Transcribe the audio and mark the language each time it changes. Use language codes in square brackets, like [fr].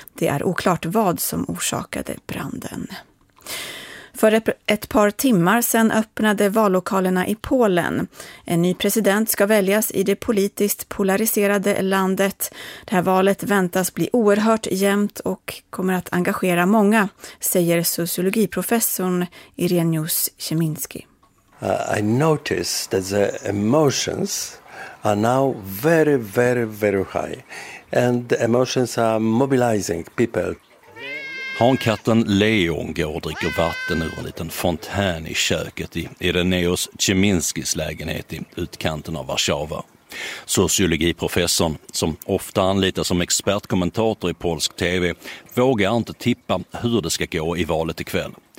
[sv] Det är oklart vad som orsakade branden. För ett par timmar sedan öppnade vallokalerna i Polen. En ny president ska väljas i det politiskt polariserade landet. Det här valet väntas bli oerhört jämnt och kommer att engagera många, säger sociologiprofessorn Ireneusz Cieminski. [en] I notice that the emotions are now very, very, very high. And the emotions are mobilizing people. [sv] Hankatten Leon går och dricker vatten ur en liten fontän i köket i Ireneusz Cieminskis lägenhet i utkanten av Warszawa. Sociologiprofessorn, som ofta anlitas som expertkommentator i polsk tv, vågar inte tippa hur det ska gå i valet ikväll.